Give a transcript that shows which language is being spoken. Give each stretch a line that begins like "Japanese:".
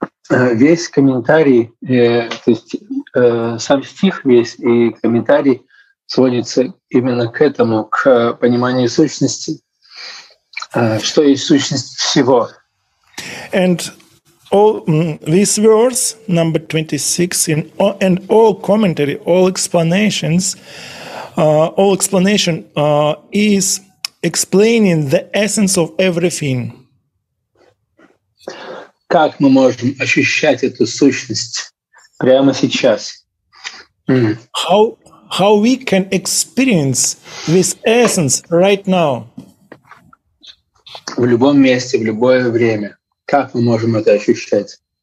Russian: Весь комментарий, то есть сам стих весь и комментарий сводится именно к этому, к пониманию сущности, что есть сущность всего.
English: And all this verse number 26 in all, and all commentary, all explanations, all explanation is explaining the essence of everything.
Russian: Как мы можем ощущать эту сущность прямо сейчас?
English: How we can experience this essence right now?
Russian: В любом месте, в любое время. Как мы можем это ощущать?